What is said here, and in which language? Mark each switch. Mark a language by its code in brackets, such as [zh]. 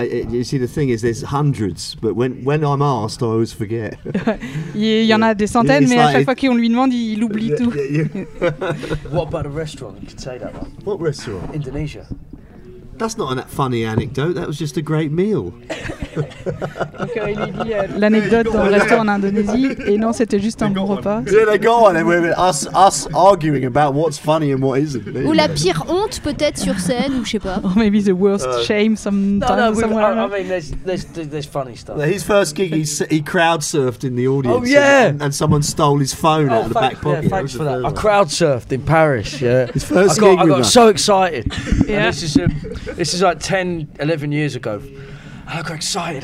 [en] You see, the thing is, there's hundreds, but when I'm asked, I always forget. [fr] Il y en a des centaines, mais like à chaque fois qu'on lui demande, il oublie tout. [en] What about a restaurant? You can say that one. What restaurant? Indonesia. That's not a funny anecdote. That was just a great meal. [fr] L'anecdote d'un restaurant en Indonésie, et non, c'était juste un bon repas. [en] Yeah, they go on and we're us arguing about what's funny and what isn't. [fr] Ou la pire honte peut-être sur scène, ou je sais pas. [en] Or maybe the worst shame sometimes. No, there's funny stuff. His first gig, he crowd surfed in the audience. Oh yeah. And someone stole his phone out of the back pocket. Yeah, thanks for that. I crowd surfed in Paris. Yeah. His first gig. I got so excited. Yeah. And this is like 10-11 years ago. I got excited.